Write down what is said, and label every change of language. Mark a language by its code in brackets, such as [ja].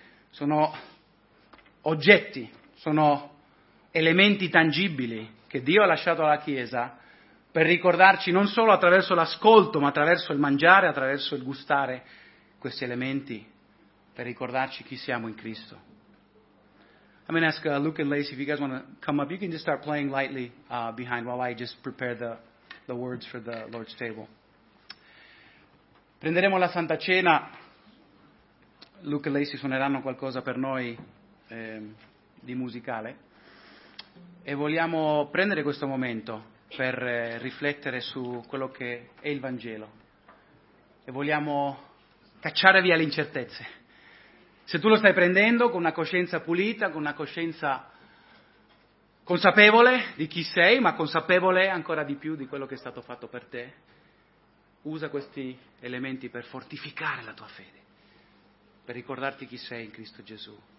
[it] Sono oggetti, sono elementi tangibili che Dio ha lasciato alla Chiesa per ricordarci non solo attraverso l'ascolto, ma attraverso il mangiare, attraverso il gustare questi elementi per ricordarci chi siamo in Cristo. [en] I'm going to ask Luke and Lacey, if you guys want to come up, you can just start playing lightly behind while I just prepare the words for the Lord's table. [it] Prenderemo la Santa Cena. Luke e Lacey suoneranno qualcosa per noi di musicale. E vogliamo prendere questo momento per riflettere su quello che è il Vangelo. E vogliamo cacciare via le incertezze. Se tu lo stai prendendo con una coscienza pulita, con una coscienza consapevole di chi sei, ma consapevole ancora di più di quello che è stato fatto per te, usa questi elementi per fortificare la tua fede, per ricordarti chi sei in Cristo Gesù.